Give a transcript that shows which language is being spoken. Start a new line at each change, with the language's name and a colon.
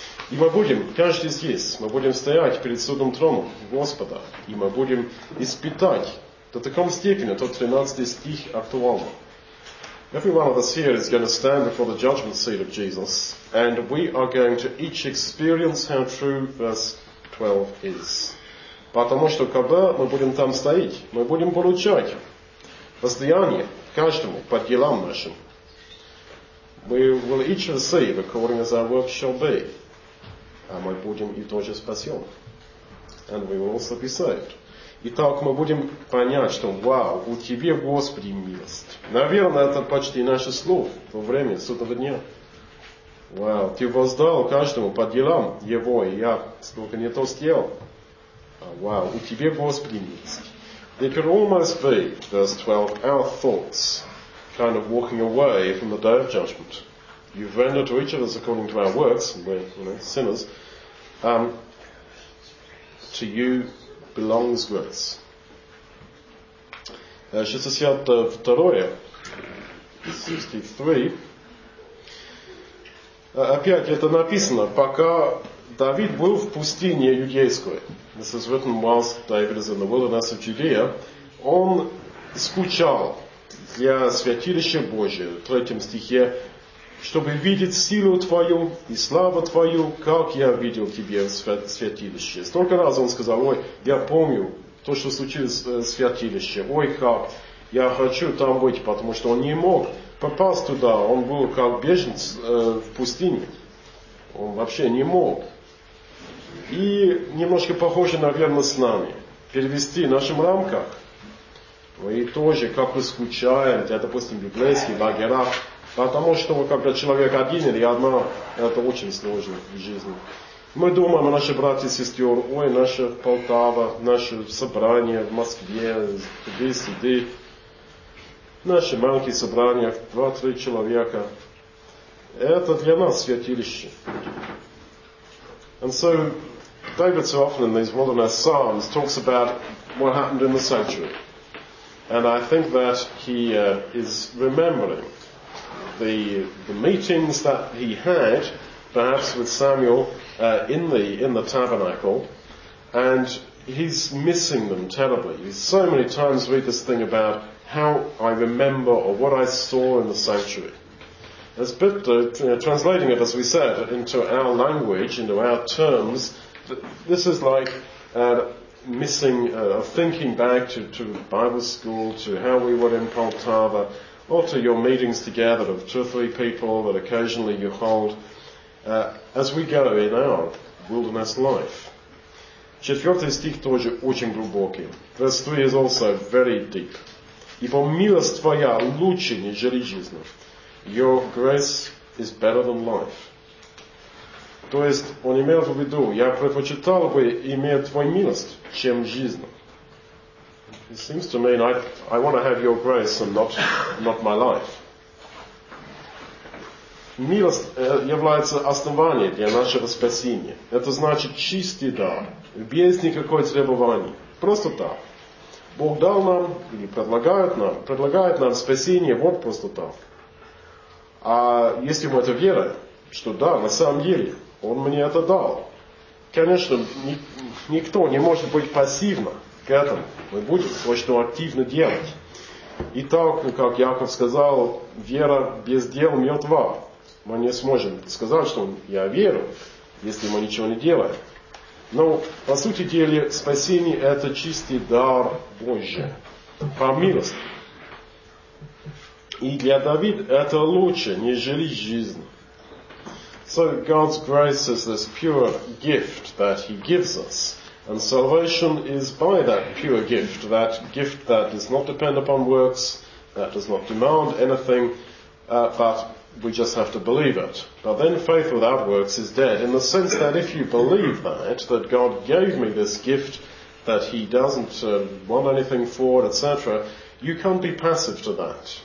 Russian: И мы будем, каждый здесь, мы будем стоять перед судом трона Господа, и мы будем испытать до такой степени, тот 13 стих актуально.
English: Every one of us here is going to stand before the judgment seat of Jesus, and we are going to each experience how true verse 12 is.
Russian: Потому что когда мы будем там стоять, мы будем получать воздаяние каждому по делам нашим.
English: We will each receive according as our work shall be.
Russian: А мы будем и тоже спасен.
English: And we will also be saved.
Russian: Итак, мы будем понять, что вау, у тебя, Господи, милость. Наверное, это почти наше слово в то время, судного дня. Вау, ты воздал каждому по делам его, и я сколько не то съел. Вау, у тебя, Господи, милость.
English: It could almost be, verse 12, our thoughts, kind of walking away from the day of judgment. You've rendered to each of us according to our works, we're, you know, sinners, to you belongs grace. 62, 63.
Russian: Опять это написано, пока Давид был в пустыне Иудейской.
English: This is written whilst David is in the wilderness of Judea.
Russian: Он скучал для святилища Божия, в третьем стихе, чтобы видеть силу Твою и славу Твою, как я видел Тебе в святилище. Столько раз он сказал, ой, я помню то, что случилось в святилище. Ой, как, я хочу там быть, потому что он не мог попасть туда. Он был как беженец в пустыне. Он вообще не мог. И немножко похоже, наверное, с нами. Перевести в нашем рамках. Мы тоже как бы скучаем, для, допустим, библейских лагерей. Потому что когда человек один или одна, это очень сложно в жизни. Мы думаем о наших братьях и сестрах, ой, наша Полтава, наше собрание в Москве, где сиди, наши маленькие собрания, 2-3 человека. Это для нас святилище.
English: And so David so often in these wilderness psalms talks about what happened in the sanctuary. And I think that he is remembering the meetings that he had, perhaps with Samuel, in the tabernacle, and he's missing them terribly. He so many times read this thing about how I remember or what I saw in the sanctuary. It's a bit translating it, as we said, into our language, into our terms. This is like missing, thinking back to Bible school, to how we were in Poltava, or to your meetings together of 2 or 3 people that occasionally you hold as we go in our wilderness life.
Russian: Четвертый стих тоже очень глубокий.
English: Verse 3 is also very deep.
Russian: Ибо милость твоя лучше, нежели жизнь.
English: Your grace is better than life.
Russian: То есть, он имел в виду, я предпочитал бы иметь твою милость, чем жизнь.
English: It seems to mean I want to have your grace and not my life.
Russian: Милость является основанием для нашего спасения. Это значит чистый дар, без никакой требований. Просто так. Бог дал нам или предлагает нам спасение вот просто так. А если мы это верим, что да, на самом деле, Он мне это дал. Конечно, никто не может быть пассивно к этому. Мы будем точно активно делать. И так, как Яков сказал, вера без дел мертва. Мы не сможем сказать, что я верю, если мы ничего не делаем. Но, по сути дела, спасение – это чистый дар Божий, по милости. И для Давида это лучше, нежели жизнь.
English: So God's grace is this pure gift that He gives us. And salvation is by that pure gift that does not depend upon works, that does not demand anything, but we just have to believe it. But then faith without works is dead, in the sense that if you believe that, that God gave me this gift, that He doesn't want anything for it, etc., you can't be passive to that.